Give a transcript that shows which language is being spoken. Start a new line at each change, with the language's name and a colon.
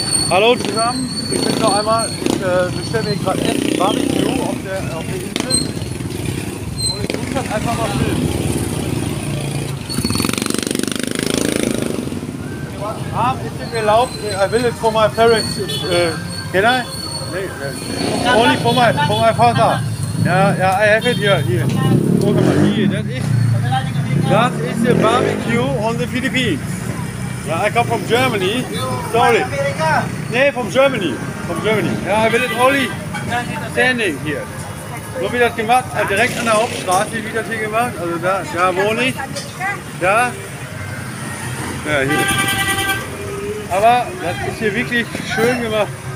German: Hallo zusammen, ich bin noch einmal, bestelle mir gerade echt Barbecue auf der Insel und ich muss halt einfach mal filmen.
English: Is it allowed? I will it for my parents. Can I? No. Only for my father. Yeah, I have it here. Look at that. That is a barbecue on the Philippines. Yeah, I come from Germany. Sorry. No, from Germany. From Germany. Yeah, I will it only standing here.
German: So wie das gemacht? Direkt an der Hauptstraße wie das hier gemacht? Also da, ja, wohne ich. Da. Ja, hier. Aber das ist hier wirklich schön gemacht.